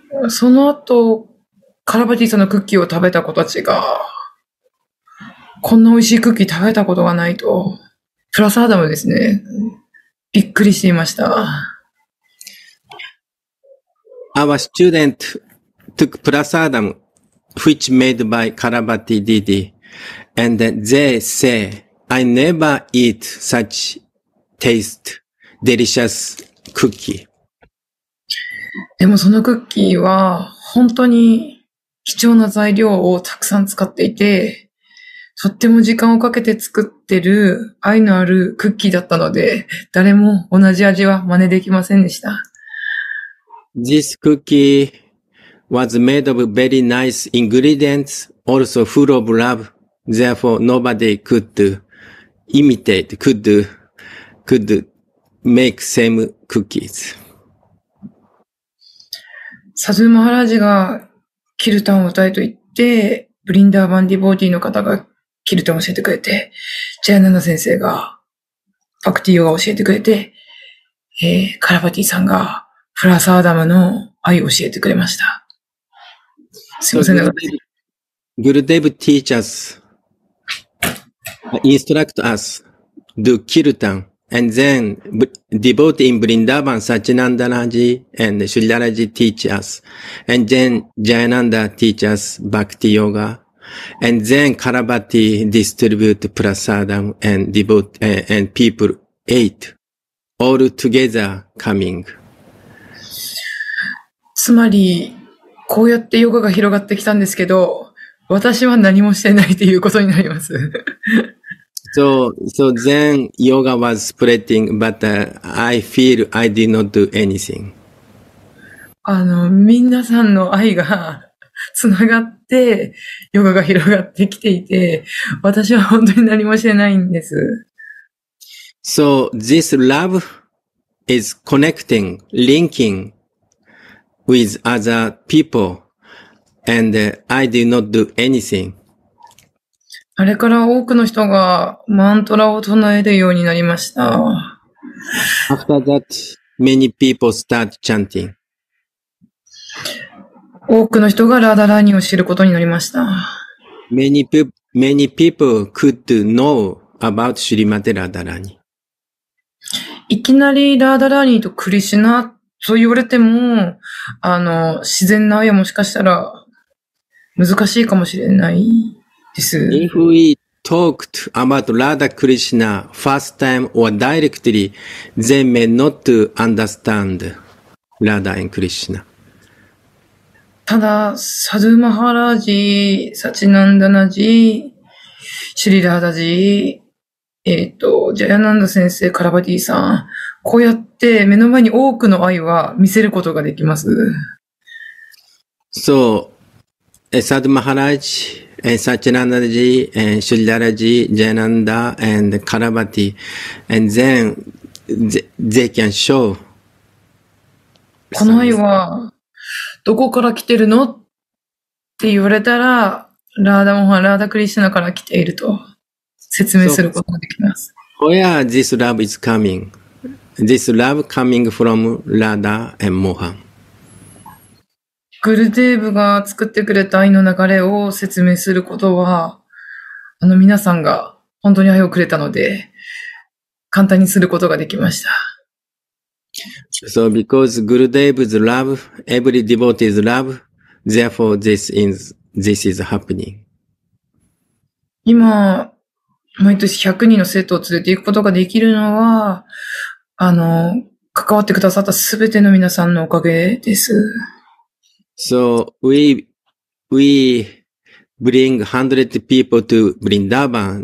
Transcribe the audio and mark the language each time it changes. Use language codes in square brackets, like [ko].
[ja] その後、カラバティさんのクッキーを食べた子たちが、こんな美味しいクッキー食べたことがないと、プラスアダムですね。びっくりしていました。 [en] Our student took プラスアダム、which made by Karabati Didi, and they say, I never eat such taste delicious cookie. [ja] でもそのクッキーは本当に貴重な材料をたくさん使っていて、とっても時間をかけて作ってる愛のあるクッキーだったので、誰も同じ味は真似できませんでした。 [en] This cookie was made of very nice ingredients, also full of love. Therefore, nobody could imitate, could make same cookies. [ja] サドゥ・マハラージがキルタンを歌えと言って、ブリンダー・バンディ・ボーティーの方がキルタンを教えてくれて、ジャヤナンダ先生がバクティヨガを教えてくれて、カラバティさんがフラサーダムの愛を教えてくれました。すいませんなさい。 [en] グルデブ teach us, instruct us, do kirtan, and then devotee in Vrindavan, Sachinandaraji and Shulyaraji teach us, and then Jayananda teach us bhakti yoga, and then Karabati distribute prasadam and devotee and people ate all together coming. [ja] つまりこうやってヨガが広がってきたんですけど、私は何もしてないということになります。 [en] So then yoga was spreading, but I feel I did not do anything. [ja] みんなさんの愛がつながって、ヨガが広がってきていて、私は本当に何もしてないんです。 [en] So this love is connecting, linking with other people. And I did not do anything. [ja] あれから多くの人がマントラを唱えるようになりました。 [en] After that, many people start chanting. [ja] 多くの人がラダラーニを知ることになりました。 [en] Many people could know about Shrimati Radharani. [ja] いきなりラダラーニとクリシナと言われても、自然な愛はもしかしたら難しいかもしれないです。 [en] If we talked about Radha Krishna first time or directly, they may not understand Radha and Krishna. [ja] ただ、サドゥ・マハラージ、サチナンダナジ、シリラーダジ、ジャヤナンダ先生、カラバティさん、こうやって目の前に多くの愛は見せることができます。 [en] So, Sadhu Maharaj, Satchinandaji, and Shuddharaji, Jayananda, and Karabati, and then they can show. [ja] この愛はどこから来てるのって言われたら、ラーダモハン、ラーダクリシュナから来ていると説明することができます。 [en] So, where this love is coming? This love coming from Radha and Mohan. [ja] グルデーブが作ってくれた愛の流れを説明することは、皆さんが本当に愛をくれたので、簡単にすることができました。 [en] So because Gurudev's love, every devotee's love, therefore this is happening. [ja] 今、毎年100人の生徒を連れていくことができるのは、関わってくださったすべての皆さんのおかげです。 [en] So we bring 100 people to Vrindavan.